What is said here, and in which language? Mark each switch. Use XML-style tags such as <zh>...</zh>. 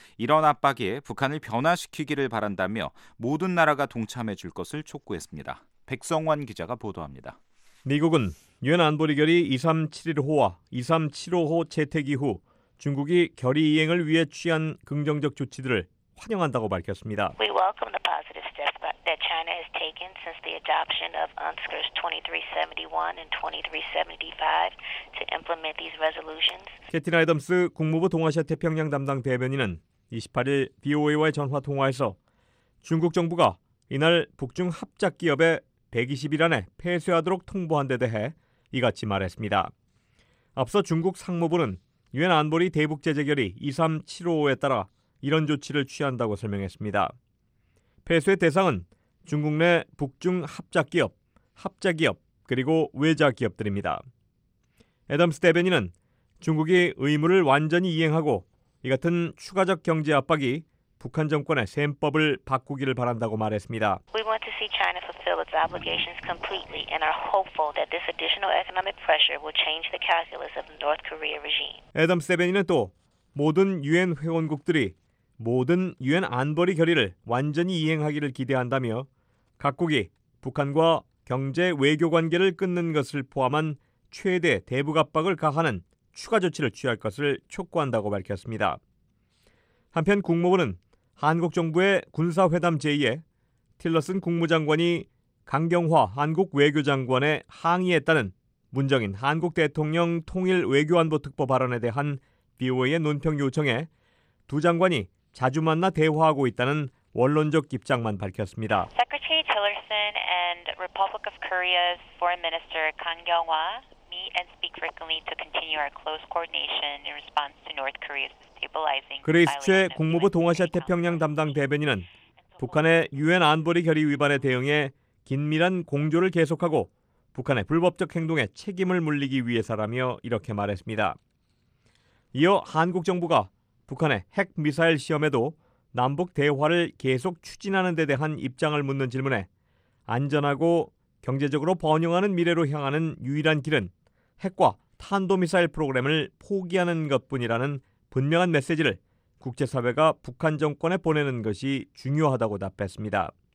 <ko>이런 압박이 북한을 변화시키기를 바란다며 모든 나라가 동참해 줄 것을 촉구했습니다. 백성환 기자가 보도합니다. 미국은 유엔 안보리 결의 2371호와 2375호 채택 이후 중국이 결의 이행을 위해 취한 긍정적 조치들을 환영한다고 밝혔습니다.</ko> <en>We welcome the positive steps that China has taken since the adoption of UNSCR's 2371 and 2375 to implement these resolutions.</en> <ko>캐티 라이덤스 국무부 동아시아 태평양 담당 대변인은 28일 BOA와의 전화 통화에서 중국 정부가 이날 북중 합작 기업의 120일 안에 폐쇄하도록 통보한 데 대해 이같이 말했습니다. 앞서 중국 상무부는 유엔 안보리 대북 제재결의 23755에 따라 이런 조치를 취한다고 설명했습니다. 폐쇄 대상은 중국 내 북중 합작기업, 합자기업 그리고 외자기업들입니다. 애덤스 대변인은 중국이 의무를 완전히 이행하고 이 같은 추가적 경제 압박이 북한 정권의 셈법을 바꾸기를 바란다고 말했습니다.</ko> <en>We want to see China fulfill its obligations completely and are hopeful that this additional economic pressure will change the calculus of the North Korea regime.</en> <ko>애덤스 대변인은 또 모든 유엔 회원국들이 모든 유엔 안보리 결의를 완전히 이행하기를 기대한다며 각국이 북한과 경제 외교 관계를 끊는 것을 포함한 최대 대북 압박을 가하는 추가 조치를 취할 것을 촉구한다고 밝혔습니다. 한편 국무부는 한국 정부의 군사회담 제의에 틸러슨 국무장관이 강경화 한국 외교장관에 항의했다는 문정인 한국 대통령 통일 외교안보특보 발언에 대한 BOA의 논평 요청에 두 장관이 자주 만나 대화하고 있다는 원론적 입장만 밝혔습니다.</ko> <en>Secretary Tillerson and Republic of Korea's Foreign Minister Kang Kyung-hwa meet and speak frequently to continue our close coordination in response to North Korea's destabilizing.</en> <ko>그레이스체 국무부 동아시아 태평양 담당 대변인은 북한의 유엔 안보리 결의 위반에 대응해 긴밀한 공조를 계속하고 북한의 불법적 행동에 책임을 물리기 위해서라며 이렇게 말했습니다. 이어 한국 정부가 북한의 핵미사일 시험에도 남북 대화를 계속 추진하는 데 대한 입장을 묻는 질문에 안전하고 경제적으로 번영하는 미래로 향하는 유일한 길은 핵과 탄도미사일 프로그램을 포기하는 것뿐이라는 분명한 메시지를 국제사회가 북한 정권에 보내는 것이 중요하다고 답했습니다.</ko>